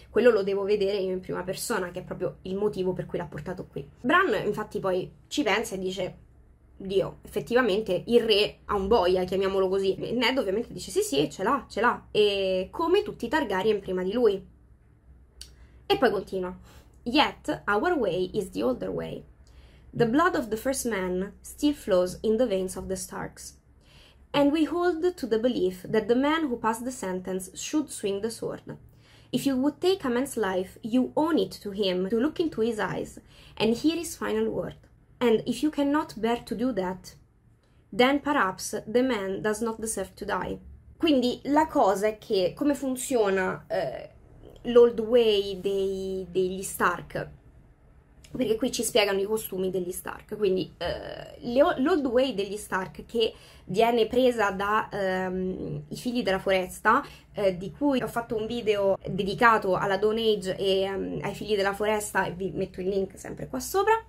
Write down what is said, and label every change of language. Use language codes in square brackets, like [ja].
[it] Quello lo devo vedere io in prima persona, che è proprio il motivo per cui l'ha portato qui. Bran infatti poi ci pensa e dice: Dio, effettivamente il re ha un boia, chiamiamolo così. E Ned ovviamente dice: Sì, ce l'ha, ce l'ha. E come tutti i Targaryen prima di lui. E poi continua: [en] Yet our way is the older way. The blood of the first man still flows in the veins of the Starks, and we hold to the belief that the man who passed the sentence should swing the sword. If you would take a man's life, you owe it to him to look into his eyes and hear his final word. And if you cannot bear to do that, then perhaps the man does not deserve to die. [it] Quindi la cosa è che come funziona l'old way degli Stark, perché qui ci spiegano i costumi degli Stark, quindi l'old way degli Stark, che viene presa da i figli della foresta, di cui ho fatto un video dedicato alla Dawn Age e ai figli della foresta, e vi metto il link sempre qua sopra.